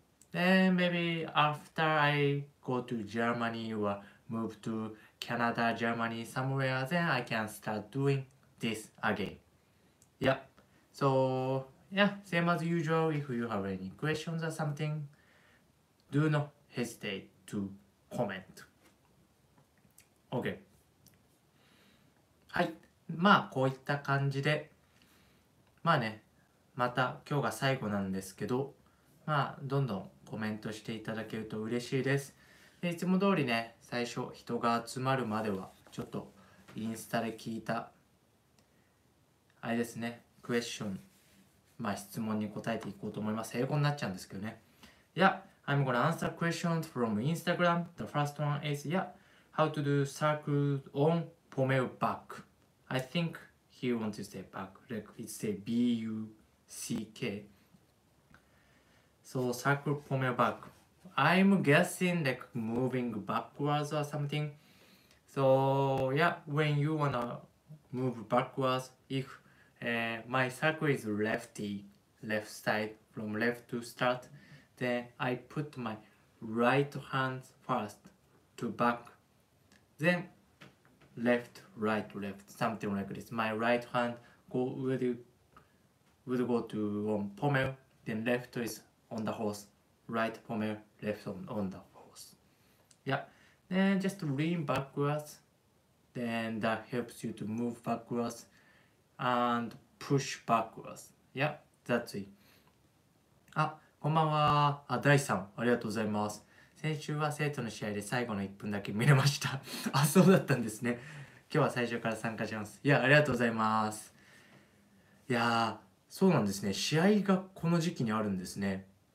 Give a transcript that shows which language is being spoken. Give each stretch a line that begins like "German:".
English: Then maybe after I go to Germany or move to Canada, Germany somewhere, then I can start doing this again. Yeah. So yeah, same as usual. If you have any questions or something, do not hesitate to comment. Okay. はい。
Japanese: まあこういった感じで、まあね、また今日が最後なんですけど、まあどんどんコメントしていただけると嬉しいです。でいつも通りね、最初人が集まるまではちょっとインスタで聞いたあれですね、クエスチョン、まあ質問に答えていこうと思います。英語になっちゃうんですけどね。
English: Yeah, I'm gonna answer questions from Instagram. The first one is yeah, how to do circles on pommel back. I think he wants to say back, like it's say B-U-C-K. So, circle pommel back. I'm guessing like moving backwards or something. So, yeah, when you wanna move backwards, if my circle is lefty, left side, from left to start, then I put my right hand first to back, then left, right, left, something like this. My right hand would go to pommel, then left isOn the horse, right pommel, left on the horse. Yeah, then just lean backwards, then that helps you to move backwards and push backwards. Yeah, that's it.
Japanese: あ、こんばんは。あ、ダイさん、ありがとうございます。先週は生徒の試合で最後の1分だけ見れました。あ、そうだったんですね。今日は最初から参加します。いや、ありがとうございます。いやー、そうなんですね。試合がこの時期にあるんですね。